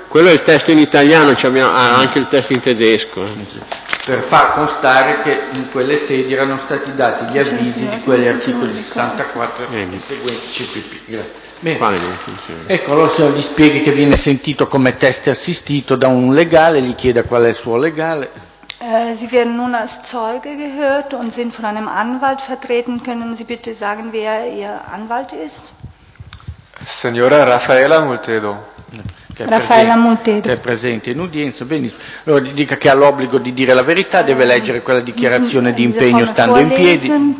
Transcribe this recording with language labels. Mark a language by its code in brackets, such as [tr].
[it] Quello è il testo in italiano, anche il testo in tedesco. Per far constare che in quelle sedi erano stati dati gli avvisi di quegli articoli 64 e seguenti CPP. Bene. Ecco, allora gli spieghi che viene sentito come test assistito da un legale, gli chieda qual è il suo legale. [de] Sie werden nun als Zeuge gehört und sind von einem Anwalt vertreten. Können Sie bitte sagen, wer Ihr Anwalt ist? [it] Signora Raffaella Multedo. Che è presente in udienza, benissimo. Allora gli dica che ha l'obbligo di dire la verità, deve leggere quella dichiarazione di impegno stando in piedi.